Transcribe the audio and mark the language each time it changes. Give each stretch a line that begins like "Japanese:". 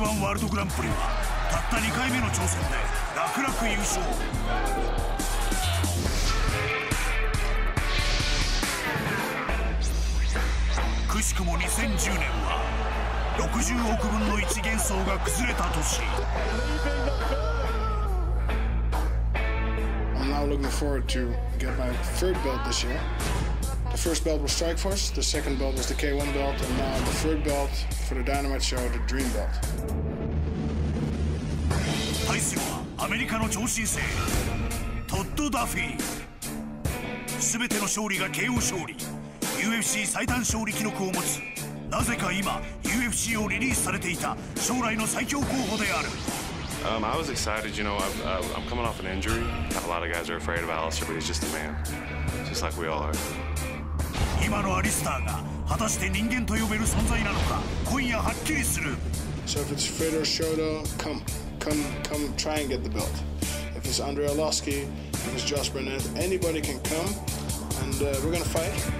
Japanese: K1 ワールドグランプリはたった 2回目の挑戦で楽々優勝。くしくも 2010年は 60億分の1幻想が崩れた年。
English: I'm now looking forward to get my third belt this year. The first belt was Strikeforce, the second belt was the K1 belt, and now the third belt for the Dynamite Show, the Dream Belt.
Japanese: 対するはアメリカの超新星 トッド・ ダフィー。全ての勝利がKO勝利、 UFC最短勝利記録を持つ、なぜか今 UFCをリリースされていた将来の最強候補である。
English: I was excited, you know, I'm coming off an injury. A lot of guys are afraid of Alistair, but he's just a man, just like we all are.
Japanese: 今のアリスターが果たして人間と呼べる存在なのか、今夜はっきりする。
English: So if it's Fedor Shoto, come try and get the belt. If it's Andrei Arlovski, if it's Josh Burnett, anybody can come, and we're gonna fight.